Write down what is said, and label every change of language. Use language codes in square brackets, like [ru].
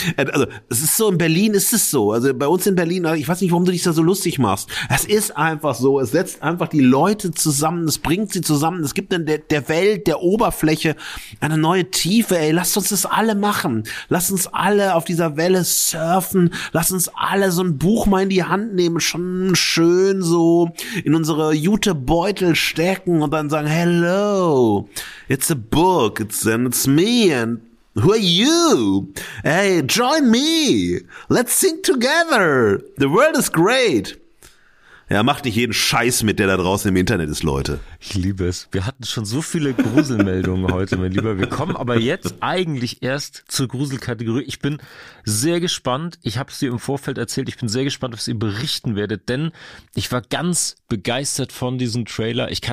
[en] And also, [de] es ist so, in Berlin ist es so, also bei uns in Berlin, ich weiß nicht, warum du dich da so lustig machst, es ist einfach so, es setzt einfach die Leute zusammen, es bringt sie zusammen, es gibt dann der Welt, der Oberfläche eine neue Tiefe, ey, lasst uns das alle machen, lasst uns alle auf dieser Welle surfen, lasst uns alle so ein Buch mal in die Hand nehmen, schon schön so in unsere Jutebeutel stecken und dann sagen, [en] hello, it's a book, it's me, and who are you? Hey, join me, let's sing together, the world is great. [de] Ja, mach nicht jeden Scheiß mit, der da draußen im Internet ist, Leute. Ich liebe es. Wir hatten schon so viele Gruselmeldungen heute, mein Lieber. Wir kommen aber jetzt eigentlich erst zur Gruselkategorie. Ich bin sehr gespannt. Ich habe es dir im Vorfeld erzählt. Ich bin sehr gespannt, was ihr berichten werdet. Denn ich war ganz begeistert von diesem Trailer.